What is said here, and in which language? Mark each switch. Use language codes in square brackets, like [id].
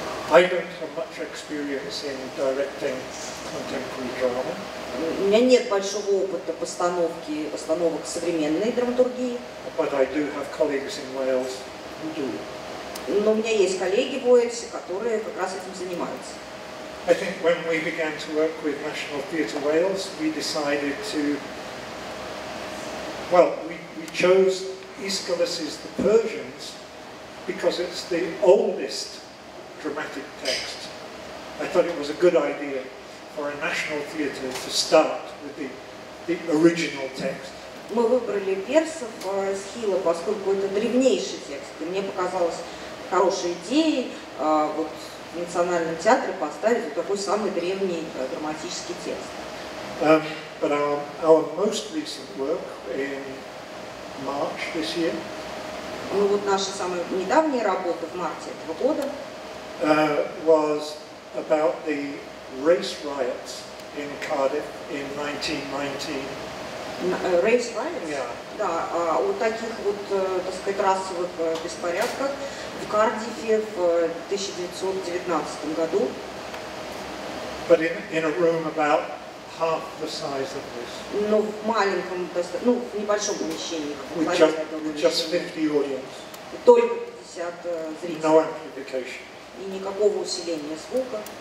[en] I don't have much experience in directing contemporary drama. [ru] У меня нет большого опыта постановок современной драматургии. [en] But I do have colleagues in Wales who do. [ru] Но у меня есть коллеги в Уэльсе, которые как раз этим занимаются. [en] I think when we began to work with National Theatre Wales, we decided to, well, we chose Aeschylus's The Persians because it's the oldest dramatic text. I thought it was a good idea for a national theatre to start with the the original text. [ru] Мы выбрали персов Схила, поскольку это древнейший текст. И мне показалось хорошей идеей вот в национальном театре поставить вот такой самый древний драматический текст. [en] But our most recent work in March this year. [ru] Ну вот наша самая недавняя работа в марте этого года. [en] Was about the race riots in Cardiff in 1919. Race riots? Yeah. [ru] Да, о таких вот, так сказать, расовых беспорядках в Кардиффе в 1919 году. [en] But in a room about half the size of this. [ru] Ну, в маленьком, ну, в небольшом помещении. [en] Just 50 audience. [ru] Только 50 зрителей. [en] No amplification. [ru] И никакого усиления звука.